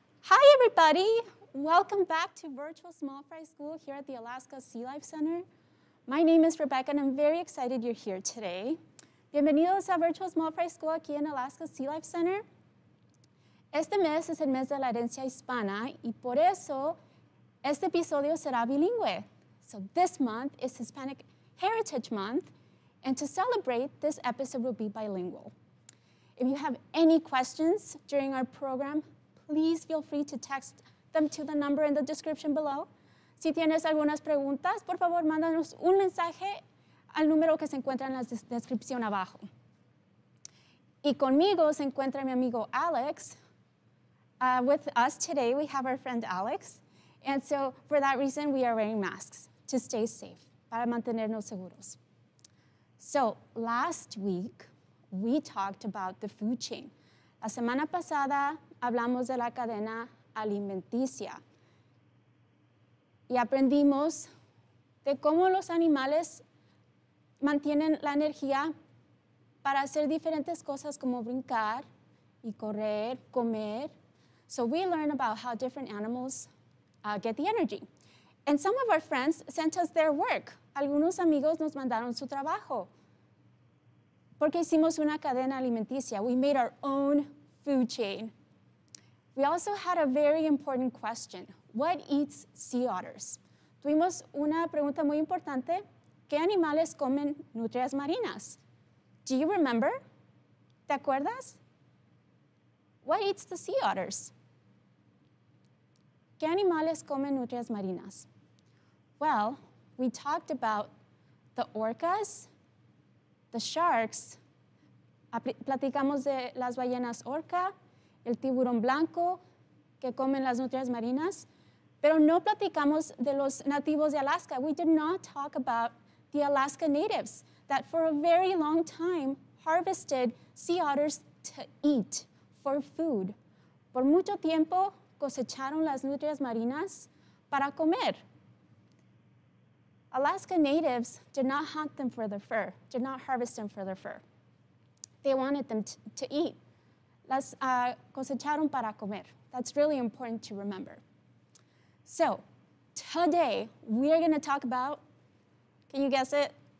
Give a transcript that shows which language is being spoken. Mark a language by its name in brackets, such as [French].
[English] Hi, everybody. Welcome back to Virtual Small Fry School here at the Alaska Sealife Center. My name is Rebecca, and I'm very excited you're here today. [Spanish] Bienvenidos a Virtual Small Fry School aquí en Alaska Sealife Center. Este mes es el mes de la herencia hispana, y por eso este episodio será bilingüe. [English] So this month is Hispanic Heritage Month, and to celebrate, this episode will be bilingual. If you have any questions during our program, please feel free to text them to the number in the description below. [Spanish] Si tienes algunas preguntas, por favor, mándanos un mensaje al número que se encuentra en la descripción abajo. Y conmigo se encuentra mi amigo Alex. [English] With us today, we have our friend Alex. And so, for that reason, we are wearing masks to stay safe, [Spanish] para mantenernos seguros. [English] So, last week, we talked about the food chain. [Spanish] La semana pasada, hablamos de la cadena alimenticia. Y aprendimos de cómo los animales mantienen la energía para hacer diferentes cosas como brincar y correr, comer. [English] So, we learned about how different animals get the energy. And some of our friends sent us their work. [Spanish] Algunos amigos nos mandaron su trabajo. Porque hicimos una cadena alimenticia. [English] We made our own food chain. We also had a very important question. What eats sea otters? [Spanish] Tuvimos una pregunta muy importante. ¿Qué animales comen nutrias marinas? [English] Do you remember? [Spanish] ¿Te acuerdas? [English] What eats the sea otters? [Spanish] ¿Qué animales comen nutrias marinas? [English] Well, we talked about the orcas, the sharks, [Spanish] platicamos de las ballenas orca, el tiburón blanco, que comen las nutrias marinas, pero no platicamos de los nativos de Alaska. [English] We did not talk about the Alaska natives that for a very long time harvested sea otters to eat for food. [Spanish] Por mucho tiempo, cosecharon las nutrias marinas para comer. [English] Alaska natives did not hunt them for their fur, did not harvest them for their fur. They wanted them to eat. [Spanish] Las cosecharon para comer. [English] That's really important to remember. So, today we are going to talk about, can you guess it?